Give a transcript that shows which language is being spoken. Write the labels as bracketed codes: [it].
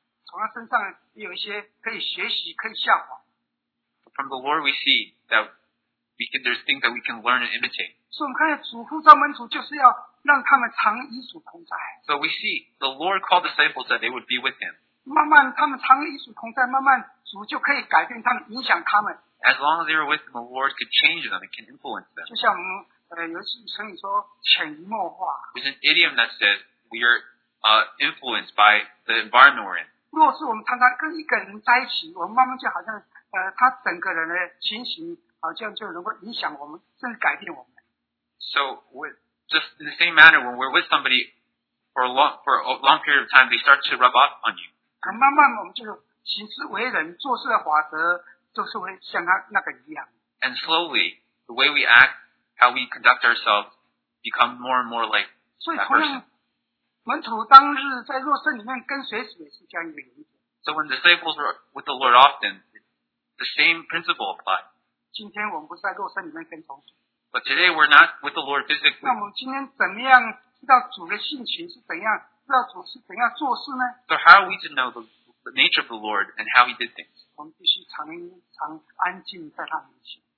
[en] From the Lord, we see that there's things that we can learn and imitate. [zh] 所以我们看见主呼召门徒就是要让他们常与主同在。 [en] So we see the Lord called disciples that they would be with him. [zh] 慢慢他们常与主同在，慢慢主就可以改变他们，影响他们。 [en] As long as they were with him, the Lord could change them and can influence them. [zh] 就像我们有一句成语说潜移默化。 [en] There's an idiom that says we are influenced by the environment we're in. [zh] 若是我们常常跟一个人在一起，我们慢慢就好像他整个人的情形。 [en] So, with, just in the same manner, when we're with somebody for a long period of time, they start to rub off on you. [zh] 慢慢我们就行事为人，做事的法则，就是会像他那个一样。 [en] And slowly, the way we act, how we conduct ourselves, become more and more like that person. [zh] 所以同样，门徒当日在若瑟里面跟随时也是这样一个原则。 [en] So when disciples are with the Lord often, the same principle applies. [zh] 今天我们不是在肉身里面跟从主。 [en] But today we're not with the Lord physically. [zh] 那我们今天怎么样知道主的性情是怎样，知道主是怎样做事呢？ [en] So how are we to know the nature of the Lord and how he did things? [zh] 我们必须常安静在他面前。